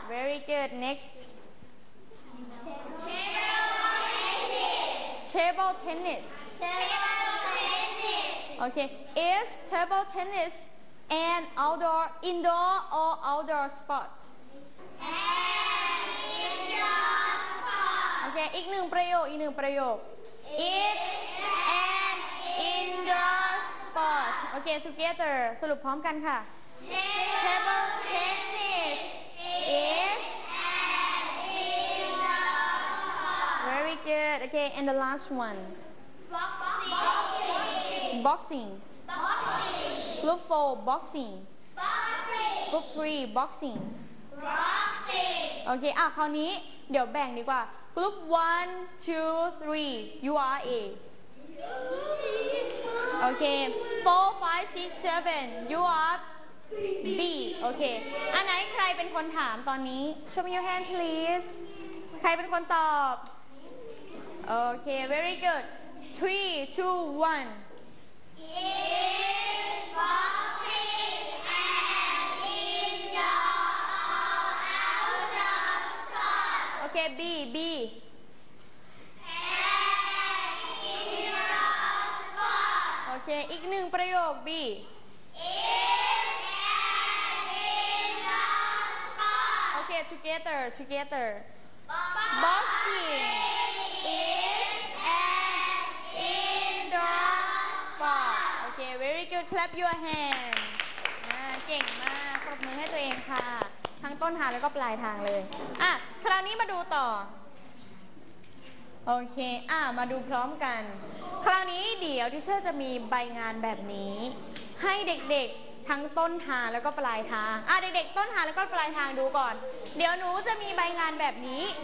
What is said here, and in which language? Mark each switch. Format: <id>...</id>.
<en>Very good. Next. Table tennis. Okay. Is table tennis an outdoor, indoor or outdoor sport?</en> <th>Okay, อีกหนึ่งประโยค</th> <en>It's an indoor sport Okay, together</en> <th>สรุปพร้อมกันค่ะ</th> <en>Table tennis is an indoor sport Very good Okay, and the last one Boxing Group 4, boxing Group 3, boxing Boxing Okay,</en> <th>คราวนี้เดี๋ยวแบ่งดีกว่า</th> <en>Group 1, 2, 3, you are A. Okay, 4, 5, 6, 7, you are B. Okay,</en> <th>อันไหนใครเป็นคนถามตอนนี้</th> <en>Show me your hand, please.</en> <th>ใครเป็นคนตอบ</th> <en>Okay, very good. 3, 2, 1. Is boxing an indoor or outdoor sport? Okay, B.</en> <th>Okay, อีกหนึ่งประโยค B</th> <en>Is an indoor sport Okay, together Boxing is an indoor sport Okay, very good, clap your hands</en> <th>เก่งมากปรบมือให้ตัวเองค่ะทั้งต้นทางแล้วก็ปลายทางเลยคราวนี้มาดูต่อโอเคมาดูพร้อมกันคราวนี้เดี๋ยวทีเชอร์จะมีใบงานแบบนี้ให้เด็กๆทั้งต้นทางแล้วก็ปลายทางเด็กๆต้นทางแล้วก็ปลายทางดูก่อนเดี๋ยวหนูจะมีใบงานแบบนี้</th>